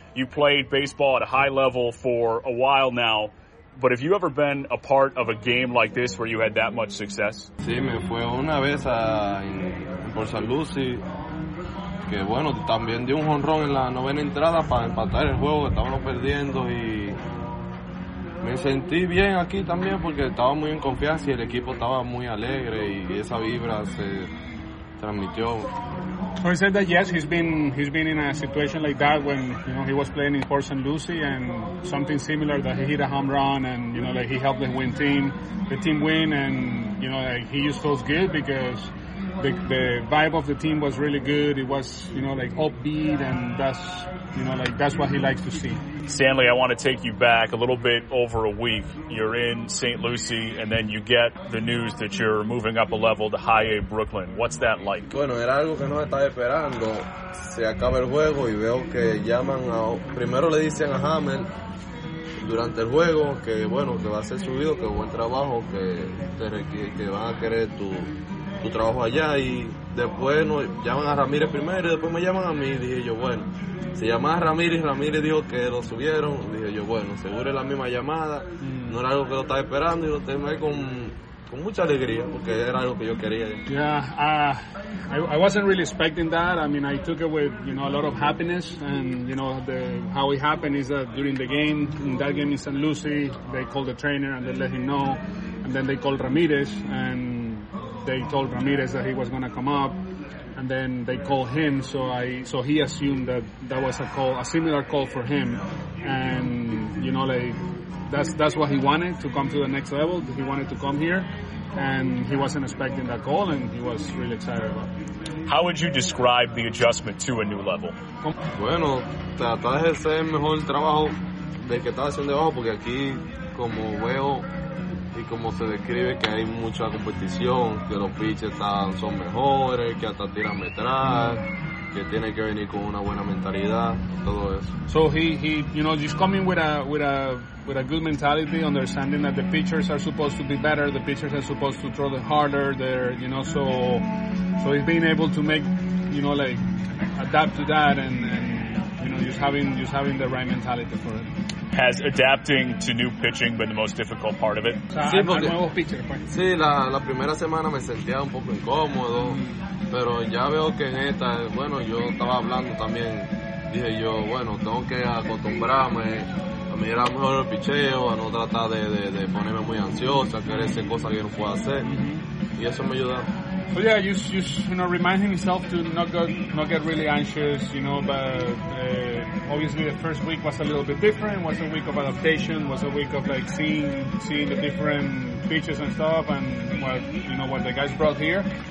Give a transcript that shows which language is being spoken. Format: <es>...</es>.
<en>You played baseball at a high level for a while now, but have you ever been a part of a game like this where you had that much success?</en> <es>Sí, me fue una vez por San Lucy. Que bueno, también di un jonrón en la novena entrada para empatar el juego, estábamos perdiendo y me sentí bien aquí también porque estaba muy en confianza y el equipo estaba muy alegre y esa vibra se transmitió.</es> <en>So he said that yes, he's been in a situation like that when, you know, he was playing in Port St. Lucie and something similar, that he hit a home run and, you know, like he helped the team win and, you know, like he just feels good because the vibe of the team was really good. It was, you know, like upbeat, and that's, you know, like that's what he likes to see. Stanley, I want to take you back a little bit over a week. You're in St. Lucie and then you get the news that you're moving up a level to High A Brooklyn. What's that like?</en> <es>Bueno, era algo que no estaba esperando. Se acaba el juego y veo que llaman a, primero le dicen a Hamel durante el juego que bueno, que va a ser subido, que buen trabajo, que van a querer tu trabajo allá, y después nos llaman a Ramírez primero y después me llaman a mí, y dije yo, bueno, se llama Ramírez dijo que lo subieron, y dije yo, bueno, seguro es la misma llamada, no era algo que lo estaba esperando, y lo terminé con mucha alegría porque era algo que yo quería.</es> <en>I wasn't really expecting that. I mean, I took it with, you know, a lot of happiness, and you know, how it happened is that during the game, in that game in St. Lucie, they called the trainer and they let him know, and then they called Ramírez and they told Ramírez that he was going to come up, and then they called him, so he assumed that was a call, a similar call for him, and you know, like that's what he wanted, to come to the next level. He wanted to come here, and he wasn't expecting that call, and he was really excited about it. How would you describe the adjustment to a new level?</en> <es>Bueno, tratar de hacer el mejor trabajo de que estás haciendo abajo, porque aquí, como veo y como se describe, que hay mucha competición, que los pitches están, son mejores, que hasta tiran metral, que tiene que venir con una buena mentalidad, todo eso.</es> <en>So he, you know, just coming with a good mentality, understanding that the pitchers are supposed to be better, the pitchers are supposed to throw the harder, they're, you know, so he's being able to make, you know, like, adapt to that and you know, just having the right mentality for it. Has adapting to new pitching been the most difficult part of it?</en> <es>Sí, porque, nuevo pitcher, pues. Sí, la primera semana me sentía un poco incómodo, pero ya veo que en esta, bueno, yo estaba hablando también, dije yo, bueno, tengo que acostumbrarme a mirar mejor el picheo, a no tratar de ponerme muy ansioso, a querer hacer cosas que no puedo hacer, mm-hmm. Y eso me ayuda.</es> <en>So yeah, you know, reminding himself to not get really anxious, you know, but obviously the first week was a little bit different, was a week of adaptation, was a week of like seeing the different pitches and stuff and what the guys brought here.</en>